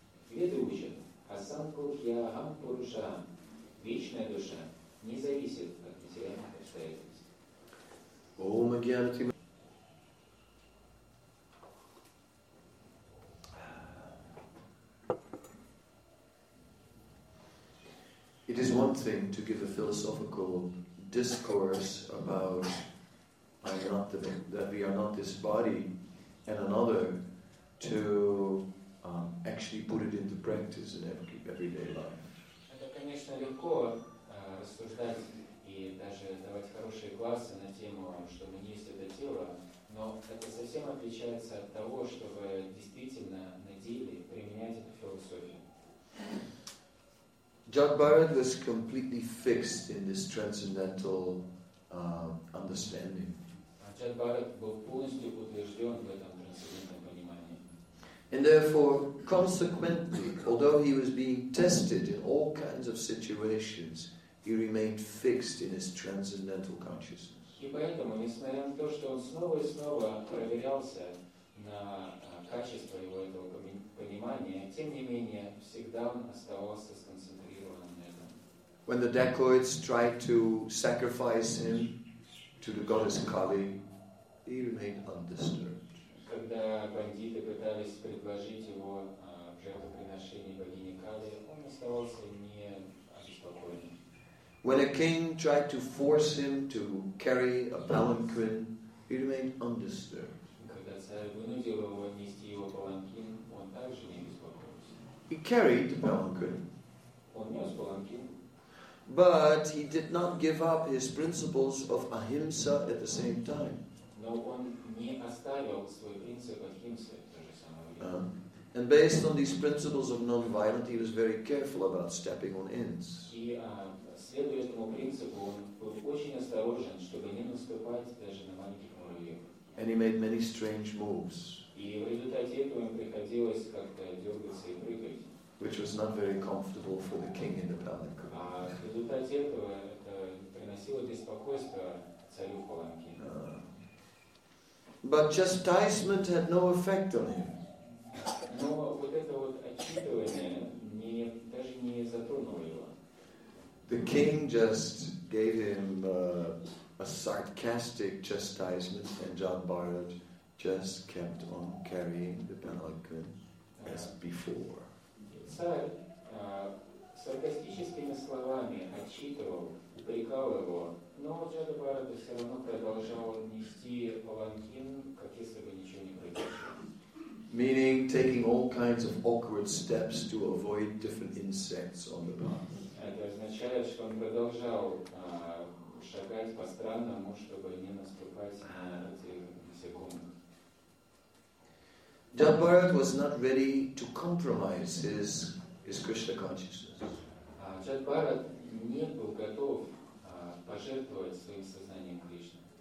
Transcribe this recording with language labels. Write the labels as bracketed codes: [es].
[ru] Веды учат «Асанку Хьяхам Пуруша». Вечная душа не зависит от материальных обстоятельств. [en] It is one thing to give a philosophical discourse about that we are not this body, and another to actually put it into practice in everyday life. [ru] Конечно, легко рассуждать и даже давать хорошие классы на тему, что мы не есть это тело, но это совсем отличается от того, чтобы действительно на деле применять эту философию. [en] Джадхарата was completely fixed in this transcendental understanding. [ru] Джадхарата был полностью утвержден в этом трансцендентном понимании. [en] And therefore, consequently, although he was being tested in all kinds of situations, he remained fixed in his transcendental consciousness. [ru] И поэтому, несмотря на то, что он снова и снова проверялся на качество его этого понимания, тем не менее, всегда он оставался сконцентрирован на этом. [en] When the dacoits tried to sacrifice him to the goddess Kali, he remained undisturbed. [ru] Когда бандиты пытались предложить его в жертвоприношение богине Кали, он оставался не обеспокоенным. [en] When a king tried to force him to carry a palanquin, he remained undisturbed. [ru] Когда царь вынудил его нести его паланкин, он также не беспокоился. [en] He carried the palanquin. [ru] Он нес паланкин. [en] But he did not give up his principles of ahimsa at the same time. [ru] Но он не оставил свой принцип ахимсы в то же самое время. [en] And based on these principles of non-violent, he was very careful about stepping on ends. [ru] И следуя этому принципу, он был очень осторожен, чтобы не наступать даже на маленьких муравьев. [en] And he made many strange moves. [ru] И в результате этого ему приходилось как-то дергаться и прыгать. [en] Which was not very comfortable for the king in the palanquin. [ru] А в результате этого это приносило беспокойство царю в паланкине. [en] But chastisement had no effect on him. [ru] Но вот это вот отчитывание даже не затронуло его. [en] The king just gave him a sarcastic chastisement, and Jadhbharat just kept on carrying the palanquin as before. [ru] Царь саркастическими словами отчитывал, упрекал его. Но Джадхарата все равно продолжал нести паланкин, как если бы ничего не произошло. [en] Meaning taking all kinds of awkward steps to avoid different insects on the path. [ru] Это означает, что он продолжал шагать по странному, чтобы не наступать на эти насекомых. [en] Джадхарата was not ready to compromise his Krishna consciousness. [ru] Джадхарата не был готов пожертвовать своим сознанием Кришне.